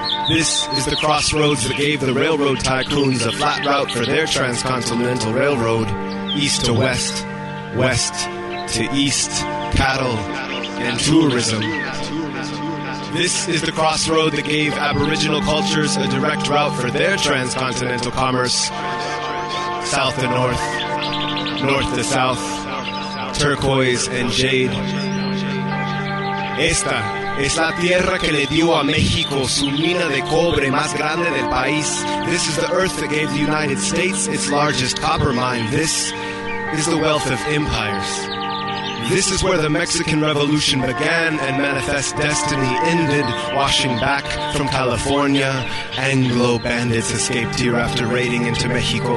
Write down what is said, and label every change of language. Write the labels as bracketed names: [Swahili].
[English] This is the crossroads that gave the railroad tycoons a flat route for their transcontinental railroad, east to west, west to east, cattle and tourism. This is the crossroad that gave Aboriginal cultures a direct route for their transcontinental commerce. South to north, north to south, turquoise and jade. [Spanish] Esta es la tierra que le dio a México su mina de cobre más grande del país. [English] This is the earth that gave the United States its largest copper mine. This is the wealth of empires. This is where the Mexican Revolution began and Manifest Destiny ended, washing back from California. Anglo bandits escaped here after raiding into Mexico.